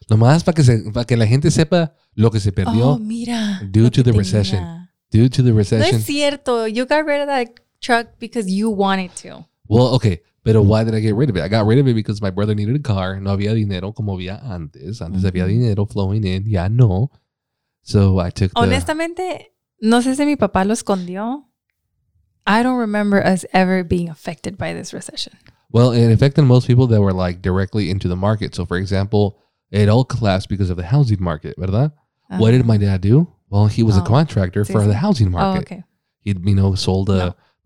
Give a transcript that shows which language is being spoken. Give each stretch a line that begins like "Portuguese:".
Spanish: Nomás para que la gente sepa lo que se perdió. Oh, mira.
English: Due to the recession. Due to the recession.
Spanish: No es cierto.
English: You got rid of that truck because you wanted to. Well, okay.
Spanish: Pero
English: why did I get rid of it? I got rid of it because my brother needed a car.
Spanish: No había dinero como había antes. Antes había dinero
English: flowing in.
Spanish: Ya no.
English: So I took the...
Spanish: Honestamente, no sé si mi papá lo escondió.
English: I don't remember us ever being affected by this recession. Well, it affected most people that were like directly into the market. So, for example, it all collapsed because of the housing market,
Spanish: ¿verdad?
English: Uh-huh. What did my dad do? Well, he was a contractor for the housing market. Oh, okay. He'd, you know, sold the lumber,